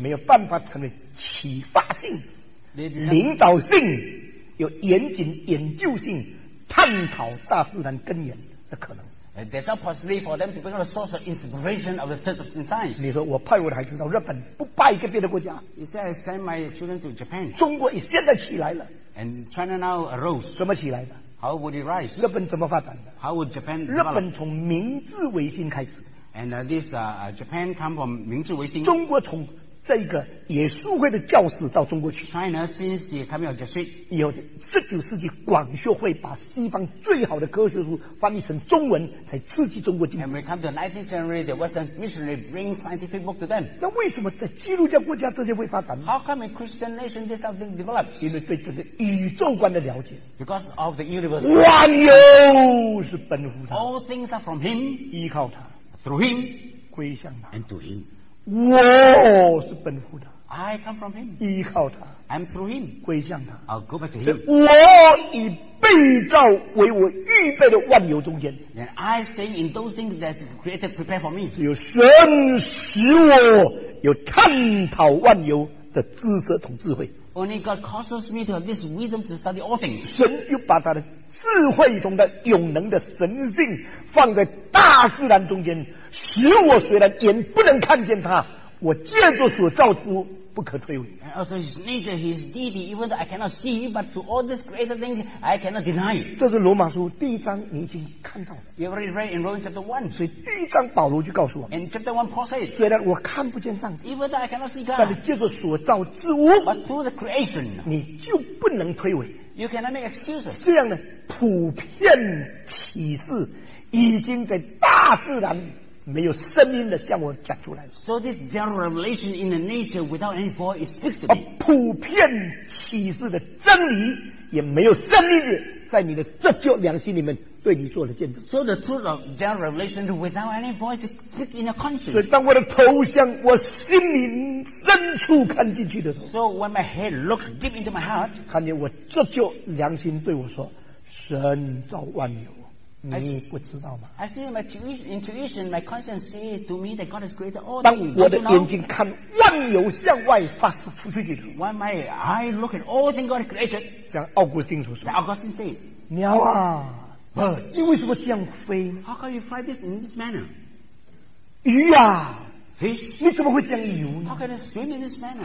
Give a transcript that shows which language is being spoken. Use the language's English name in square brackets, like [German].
[Chinese] 没有办法成为启发性领导性有严谨研究性探讨大自然根源的可能 [English] There's no possibility for them to become a source of inspiration of the search of science. [Chinese] 你说我派我的孩子到日本，不拜一个别的国家。 [English] He said, I send my children to Japan. [Chinese] 中国也现在起来了。 [English] And China now arose. [Chinese] 怎么起来的 [English] ？How would it rise? [Chinese] 日本怎么发展的 [English] ？How would Japan [Chinese] develop? 日本从明治维新开始。 [English] And this Japan come from 明治维新。 [Chinese] 中国从这个耶稣会的教士到中国去。 [English] China since the coming of Jesuit， [Chinese] 以后十九世纪广学会把西方最好的科学书翻译成中文，才刺激中国进步。 [English] And we come to the 19th century, the Western missionary bring scientific book to them. [Chinese] 那为什么在基督教国家这些会发展 [English] ？How come in Christian nation this something develops？ [Chinese] 因为对这个宇宙观的了解。 [English] Because of the universe， [Chinese] 万有是本乎他。 [English] All things are from him， [Chinese] 依靠他。 [English] Through him， [Chinese] 归向他。 [English] And to him。 [Chinese] 我是本乎他 [English] ，I come from him， [Chinese] 依靠他 [English] ，I'm through him， [Chinese] 归向他 [English] ，I'll go back to him。 [Chinese] 我以被造为我预备的万有中间 [English] ，and I stay in those things that created prepare for me。 [Chinese] 只有神使我有探讨万有的知识同智慧。 [English] Only God causes me to have this wisdom to study all things。 [Chinese] 神就把他的智慧中的永能的神性放在大自然中间，使我虽然眼不能看见他，我借着所造之物不可推诿。 [English] And also his nature, his deity, even though I cannot see, but to all these created things, I cannot deny. [Chinese] 这是罗马书第一章你已经看到了。 [English] You already read in Romans chapter 1. [Chinese] 所以第一章保罗就告诉我。 [English] In chapter 1, Paul says, [Chinese] 虽然我看不见上帝， [English] even though I cannot see God, [Chinese] 但是借着所造之物， [English] but through the creation, [Chinese] 你就不能推诿。 [English] You cannot make excuses. [Chinese] 这样的普遍启示已经在大自然没有声音的向我讲出来。 [English] So this general revelation in the nature without any voice is speaks to me. [Chinese] 普遍启示的真理也没有声音的在你的这旧良心里面对你做了见证。 [English] So the truth of general revelation without any voice is speak in your conscience. [Chinese] 所以当我的头向我心灵深处看进去的时候。 [English] So when my head looks deep into my heart, [Chinese] 看见我这旧良心对我说，神造万有。你不知道吗 [English] I see my intuition, my conscience say to me that God has created all things. [Chinese] 当我的眼睛看万有向外发射出去的 [English] When my eye look at all things God created, [Chinese] 像奥古斯丁所说 [English] like Augustine said, [Chinese] 鸟啊 [English] Bird, [Chinese] 你为什么这样飞 [English] How can you fly this in this manner? [Chinese] 鱼啊 [English] Fish, [Chinese] 你怎么会这样游 [English] How can it swim in this manner?